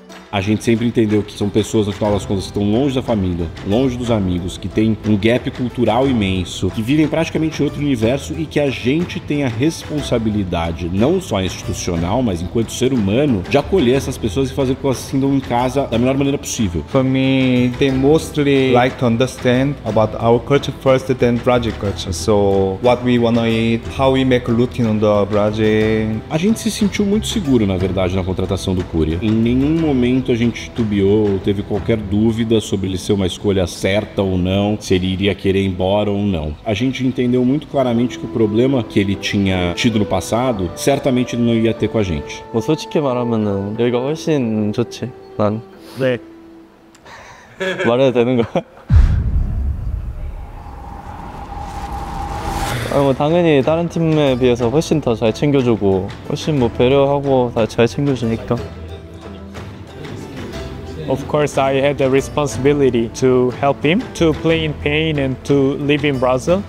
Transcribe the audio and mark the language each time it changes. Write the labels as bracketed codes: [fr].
[pt] A gente sempre entendeu que são pessoas, no final das contas, que estão longe da família, longe dos amigos, que têm um gap cultural imenso, que vivem praticamente em outro universo e que a gente tem a responsabilidade, não só institucional, mas enquanto ser humano, de acolher essas pessoas e fazer com que elas se sintam em casa da melhor maneira possível. Para mim, [en] they mostly like to understand about our culture first, then Brazil culture. So, what we wanna eat, how we make looking on the Brazil. [pt] A gente se sentiu muito seguro, na verdade, na contratação do Kuri. Em nenhum momento a gente titubeou, teve qualquer dúvida sobre ele ser uma escolha certa ou não, se ele iria querer ir embora ou não. A gente entendeu muito claramente que o problema que ele tinha tido no passado, certamente ele não ia ter com a gente. Eu, sinceramente, eu acho que aqui é melhor. Sim. Falar é possível? [ko] Ah, 뭐 당연히 다른 팀에 비해서 훨씬 더 잘 챙겨주고 훨씬 뭐 배려하고 다 잘 챙겨주니까. [en] Of course, I had the responsibility to help him to play in pain and to live in Brazil.